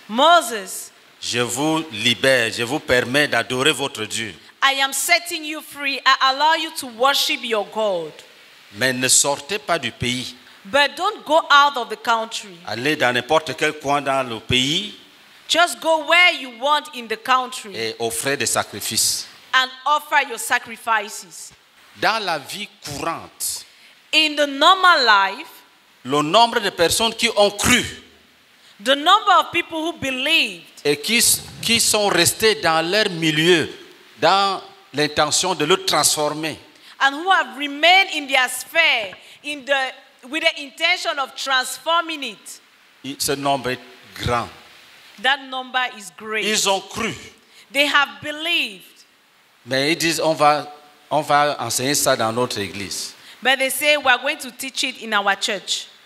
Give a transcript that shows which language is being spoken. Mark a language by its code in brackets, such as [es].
[en] Moses. [fr] Je vous libère, je vous permets d'adorer votre Dieu. [en] I am setting you free. I allow you to worship your God. [fr] Mais ne sortez pas du pays. [en] But don't go out of the country. [fr] Allez dans n'importe quel coin dans le pays. [en] Just go where you want in the country. [fr] Et offrez des sacrifices. [en] And offer your sacrifices. [fr] Dans la vie courante. [en] In the normal life. [fr] Le nombre de personnes qui ont cru. [en] The number of people who believed. [fr] Et qui sont restés dans leur milieu. Dans l'intention de le transformer. [en] And who have remained in their sphere. In the... with the intention of transforming it. [fr] Ce nombre est grand. [en] That number is great. [fr] Ils ont cru. [en] They have believed. [fr] Mais ils disent, on va enseigner ça dans notre église. [en] But they say, we are going to teach it in our church.